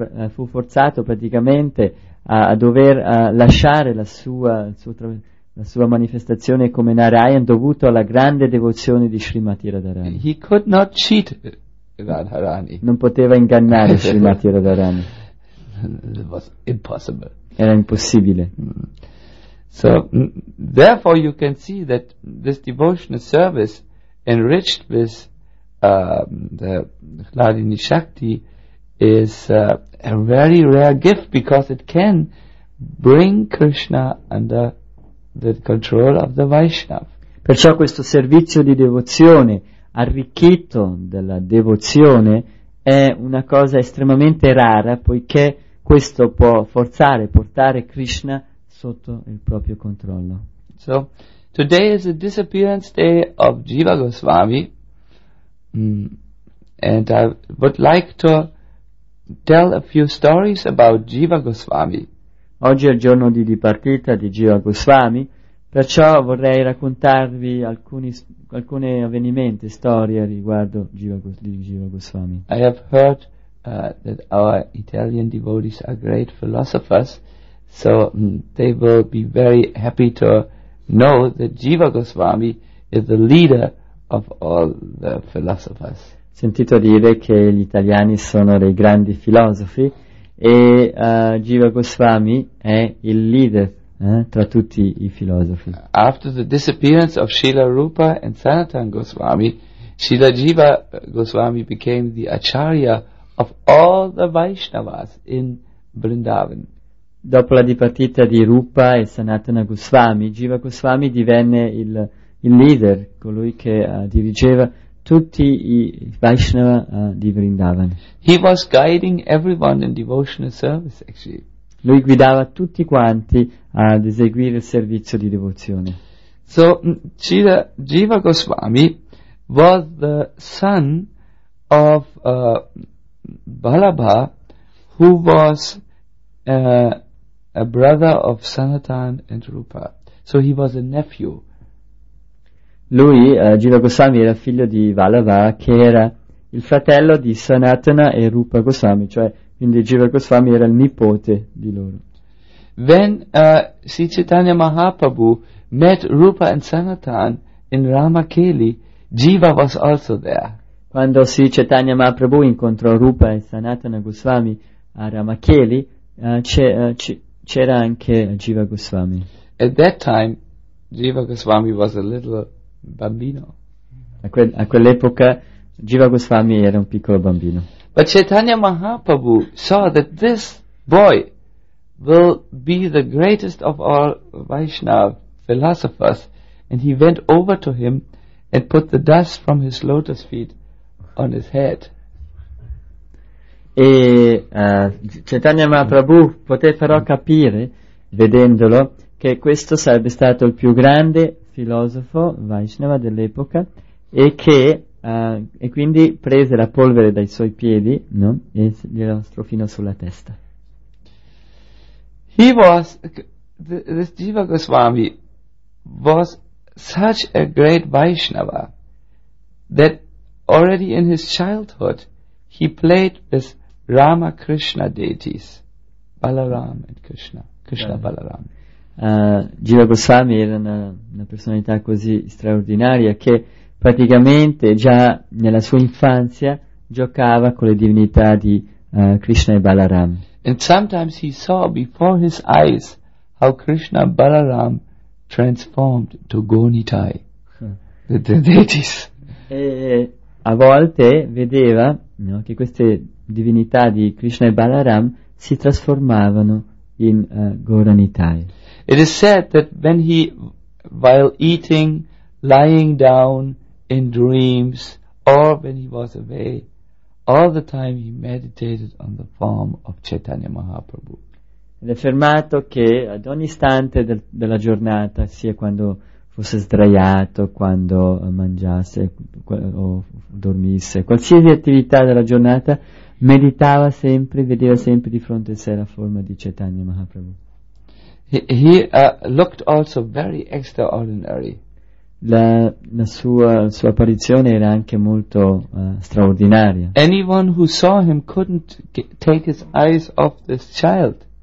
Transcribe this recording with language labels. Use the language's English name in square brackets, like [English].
[Italian] Fu forzato praticamente a dover lasciare la sua manifestazione come Narayan dovuto alla grande devozione di Srimati Radharani. [English] He could not cheat Radharani. [Italian] Non poteva ingannare Srimati Radharani. [English] It was impossible. [Italian] Era impossibile. [English] So therefore you can see that this devotional service enriched with the Ladini Shakti is a very rare gift because it can bring Krishna under the control of the Vaishnava. [Italian] Perciò questo servizio di devozione arricchito dalla devozione è una cosa estremamente rara, poiché questo può forzare, portare Krishna sotto il proprio controllo. [English] So today is the disappearance day of Jiva Goswami, and I would like to tell a few stories about Jiva Goswami. [Italian] Oggi è il giorno di dipartita di Jiva Goswami, perciò vorrei raccontarvi alcune avvenimenti, storie riguardo Jiva Goswami. [English] I have heard that our Italian devotees are great philosophers, so they will be very happy to know that Jiva Goswami is the leader of all the philosophers. [Italian] Sentito dire che gli italiani sono dei grandi filosofi e Jiva Goswami è il leader tra tutti i filosofi. [English] After the disappearance of Srila Rupa and Sanatana Goswami, Srila Jiva Goswami became the acharya of all the Vaishnavas in Vrindavan. [Italian] Dopo la dipartita di Rupa e Sanatana Goswami, Jiva Goswami divenne il leader, colui che dirigeva tutti i Vaishnava di Vrindavan. [English] He was guiding everyone in devotional service, actually. [Italian] Lui guidava tutti quanti ad eseguire il servizio di devozione. [English] So, Jiva Goswami was the son of Balabha, who was a brother of Sanatan and Rupa. So he was a nephew. [Italian] Lui, Jiva Goswami, era figlio di Balabha, che era il fratello di Sanatana e Rupa Goswami, cioè, quindi Jiva Goswami era il nipote di loro. [English] When Sri Chaitanya Mahaprabhu met Rupa and Sanatan in Ramakeli, Jiva was also there. [Italian] Quando Sri Chaitanya Mahaprabhu incontrò Rupa e Sanatana Goswami a Ramakeli, c'era anche Jiva Goswami. [English] At that time, Jiva Goswami was a little bambino. [Italian] A quell'epoca Jiva Goswami era un piccolo bambino. [English] But Chaitanya Mahaprabhu saw that this boy will be the greatest of all Vaishnava philosophers, and he went over to him and put the dust from his lotus feet on his head. [Italian] E Chaitanya Mahaprabhu poté però capire, vedendolo, che questo sarebbe stato il più grande filosofo Vaishnava dell'epoca e che e quindi prese la polvere dai suoi piedi, no? E glielo strofinò sulla testa. [English] He was this Jiva Goswami was such a great Vaishnava that already in his childhood he played with Rama Krishna deities, Balaram and Krishna, Krishna Balaram. [Italian] Jiva Goswami era una personalità così straordinaria che praticamente già nella sua infanzia giocava con le divinità di Krishna e Balaram. [English] And sometimes he saw before his eyes how Krishna and Balaram transformed to Gonitai, the deities. [Italian] E a volte vedeva, no, che queste divinità di Krishna e Balaram si trasformavano in Gonitai. [English] It is said that when he, while eating, lying down, in dreams, or when he was away, all the time he meditated on the form of Chaitanya Mahaprabhu. [Italian] Ed è affermato che ad ogni istante della giornata, sia quando fosse sdraiato, quando mangiasse o dormisse, qualsiasi attività della giornata, meditava sempre, vedeva sempre di fronte a sé la forma di Chaitanya Mahaprabhu. [English] He looked also very extraordinary. [Italian] La sua apparizione era anche molto straordinaria. [English] Anyone who saw him couldn't take his eyes off this child.